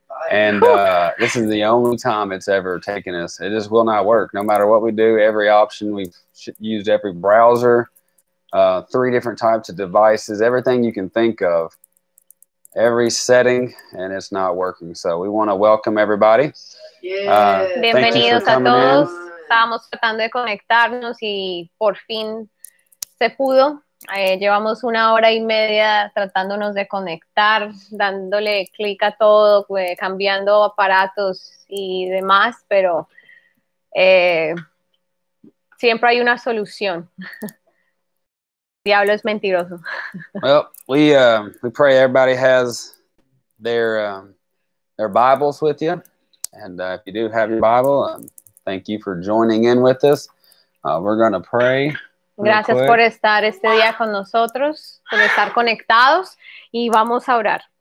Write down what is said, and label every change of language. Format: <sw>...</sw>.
<en>And this is the only time it's ever taken us. It just will not work. No matter what we do, every option, we've used every browser, three different types of devices, everything you can think of. Every setting, and it's not working. So we want to welcome everybody.</en> <es>Bienvenidos a todos. Estábamos tratando de conectarnos y por fin se pudo. Llevamos una hora y media tratándonos de conectar, dándole clic a todo, cambiando aparatos y demás, pero siempre hay una solución. Diablo es mentiroso.</es> <en>Well, we pray everybody has their Bibles with you. And if you do have your Bible, thank you for joining in with us. We're going to pray.</en> <es>Gracias por estar este día con nosotros, por estar conectados, y vamos a orar.</es>